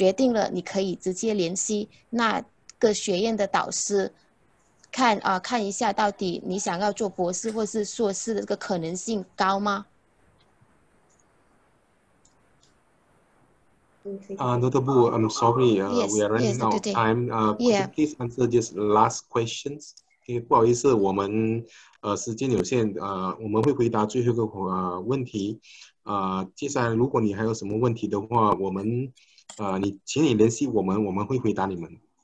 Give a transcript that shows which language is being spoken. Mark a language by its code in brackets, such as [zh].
[zh] 意思呢，就是在不同的学院里面呢，大家都有经济学的导师。那你最重要的就是你可以花一点时间呢，在这一些学院中参考一下这些导师他们的专业。那你看了他们的专业和，然后你再评估一下自己比较想要是往哪个专业去发展呢？那如果你决定了，你可以直接联系那。各学院的导师，看啊，看一下到底你想要做博士或是硕士的这个可能性高吗？ [en] Notable, I'm sorry, we are running out of time. Please answer just last questions. [zh] Okay, 不好意思，我们时间有限，我们会回答最后一个问题。接下来，如果你还有什么问题的话，我们请你联系我们，我们会回答你们。